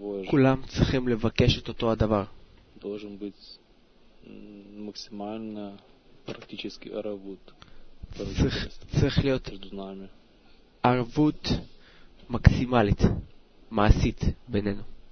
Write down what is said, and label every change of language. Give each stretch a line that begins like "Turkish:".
Hebrew: כולם צריכים לבקש את אותו הדבר.
Russian: должен быть максимально практически ערבות.
Hebrew: צריך להיות ערבות מקסימלית, מעשית בינינו.